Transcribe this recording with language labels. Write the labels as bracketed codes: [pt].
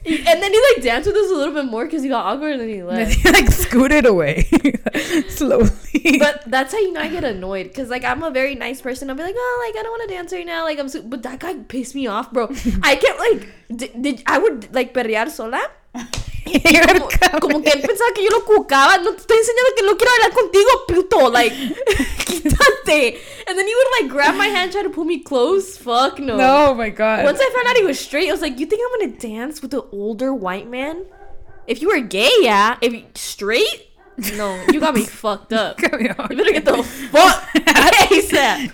[en] And then he like danced with us a little bit more because he got awkward and then he left. And he like scooted away slowly. But that's how you know I get annoyed, because like I'm a very nice person. I'll be like, oh, like I don't want to dance right now. Like I'm so, but that guy pissed me off, bro. I can't like, I would like [es] perrear sola. Como que él pensaba que yo lo cucaba. No te estoy enseñando que no quiero hablar contigo, puto. [en] Like, [es] quítate. [en] And then he would like grab my hand, try to pull me close. Fuck no. No, my god. Once I found out he was straight, I was like, you think I'm gonna dance with an older white man? If you were gay, yeah. If straight, no. You got me fucked up. You better get the fuck ASAP.